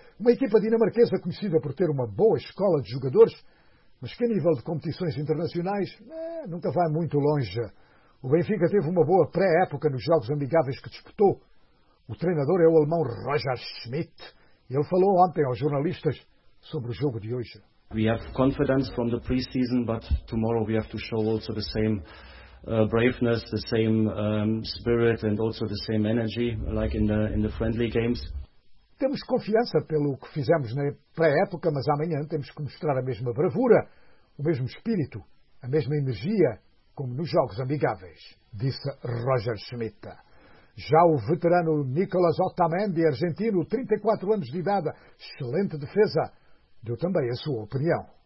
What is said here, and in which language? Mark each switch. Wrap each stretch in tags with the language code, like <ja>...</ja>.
<pt>Uma equipa dinamarquesa conhecida por ter uma boa escola de jogadores, mas que a nível de competições internacionais nunca vai muito longe. O Benfica teve uma boa pré-época nos jogos amigáveis que disputou. O treinador é o alemão Roger Schmidt. Ele falou ontem aos jornalistas sobre o jogo de hoje.</pt> <en>We have confidence from the pre-season, but tomorrow we have to show also the same braveness, the same spirit and also the same energy like in the friendly games.</en> <pt>Temos confiança pelo que fizemos na pré-época, mas amanhã temos que mostrar a mesma bravura, o mesmo espírito, a mesma energia, como nos jogos amigáveis, disse Roger Schmidt. Já o veterano Nicolas Otamendi, argentino, 34 anos de idade, excelente defesa, deu também a sua opinião.</pt>